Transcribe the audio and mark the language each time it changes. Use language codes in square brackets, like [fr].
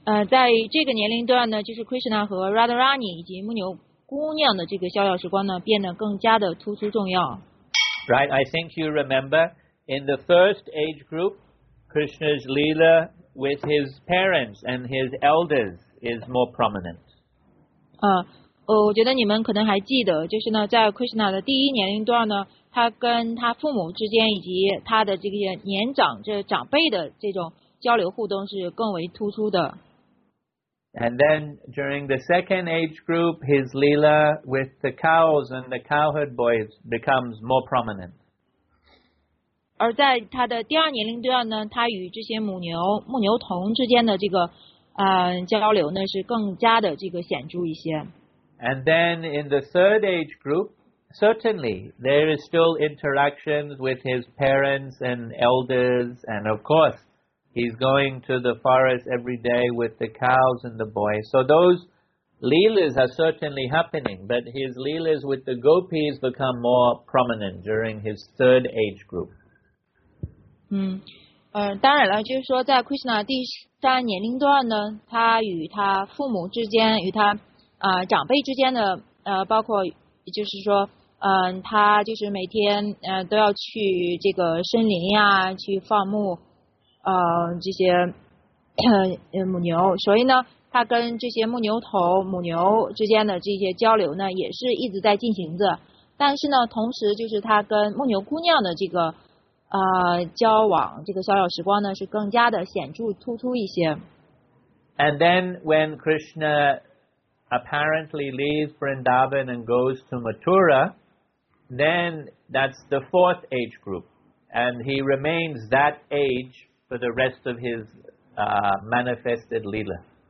[zh] 在这个年龄段呢，就是 Krishna 和 Radharani 以及牧牛姑娘的这个逍遥时光呢，变得更加的突出重要。 [en] Right, I think you remember in the first age group, Krishna's leela with his parents and his elders is more prominent. [zh] 我觉得你们可能还记得，就是呢，在 Krishna 的第一年龄段呢，他跟他父母之间以及他的这些年长这长辈的这种交流互动是更为突出的。 [en] And then during the second age group, his leela with the cows and the cowherd boys becomes more prominent. [zh] 而在他的第二年龄段呢，他与这些牧牛童之间的这个交流呢是更加的这个显著一些。 [en] And then in the third age group, certainly there is still interactions with his parents and elders, and of course. He's going to the forest every day with the cows and the boys. So those leelas are certainly happening, but his leelas with the gopis become more prominent during his third age group. [zh] 当然了，就是说在 Krishna 第三年龄段呢，他与他父母之间，与他长辈之间的包括就是说他就是每天都要去这个森林呀，去放牧。这些母牛，所以呢，他跟这些牧牛头、母牛之间的这些交流呢，也是一直在进行着。但是呢，同时就是他跟牧牛姑娘的这个交往，这个逍遥时光呢，是更加的显著突出一些。 [en] And then when Krishna apparently leaves Vrindavan and goes to Mathura, then that's the fourth age group, and he remains that age. For the rest of his manifested leela.